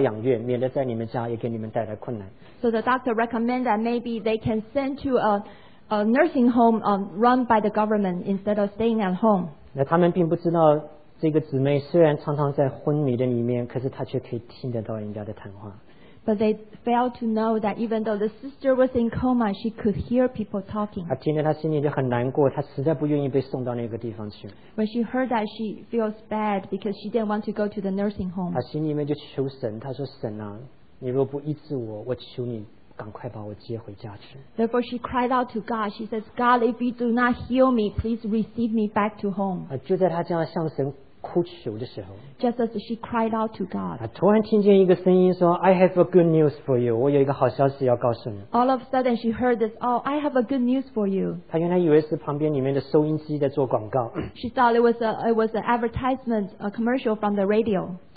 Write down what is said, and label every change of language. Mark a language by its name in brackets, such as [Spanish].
[Chinese] 所以他就这个医生就建议他的家人，我建议你把他送到州政府办的一个疗养院，免得在你们家也给你们带来困难。 [English] So the doctor recommend that maybe they can send to a nursing home run by the government instead of staying at home. [Chinese] 那他们并不知道。这个姊妹虽然常常在昏迷的里面，可是她却可以听得到人家的谈话。 [English] But they failed to know that even though the sister was in coma, she could hear people talking. [Chinese] 她听着她心里就很难过，她实在不愿意被送到那个地方去。 [English] When she heard that, she feels bad because she didn't want to go to the nursing home. [Chinese] 她心里面就求神，她说：“神啊，你若不医治我，我求你。” 赶快把我接回家去。 [English] Therefore she cried out to God. She says, God, if you do not heal me, please receive me back to home. [Chinese] 就在她这样向神哭求的时候， [English] just as she cried out to God, [Chinese] 突然听见一个声音说， [English] I have a good news for you. [Chinese] 我有一个好消息要告诉你。 [English] All of a sudden she heard this, oh, I have a good news for you. [Chinese] 她原来以为是旁边里面的收音机在做广告。 [English] She thought it was an advertisement, a commercial from the radio.